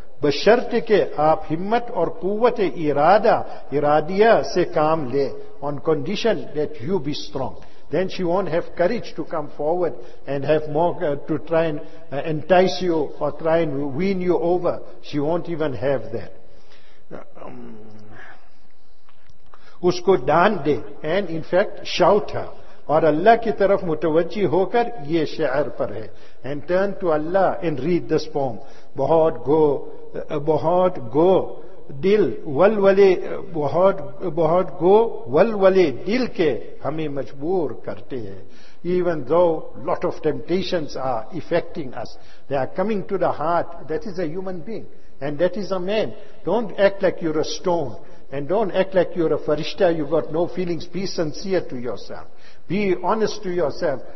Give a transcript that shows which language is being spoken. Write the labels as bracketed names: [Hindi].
[Urdu] بشرط کے آپ ہمت اور قوت ارادیہ سے کام لے. [English] On condition that you be strong. Then she won't have courage to come forward and have more to try and entice you or try and wean you over. She won't even have that. [Urdu] اس کو Dawn they [English] and in fact shout her, [Urdu] اور اللہ کی طرف متوجہ ہو کر یہ شعر پر ہے, [English] And turn to Allah and read this poem. [Urdu] بہت گو دل ولولے دل کے ہمیں مجبور کرتے ہیں. [English] Even though lot of temptations are affecting us, they are coming to the heart. That is a human being and that is a man. Don't act like you're a stone and don't act like you're a farishta. You've got no feelings. Be sincere to yourself. Be honest to yourself.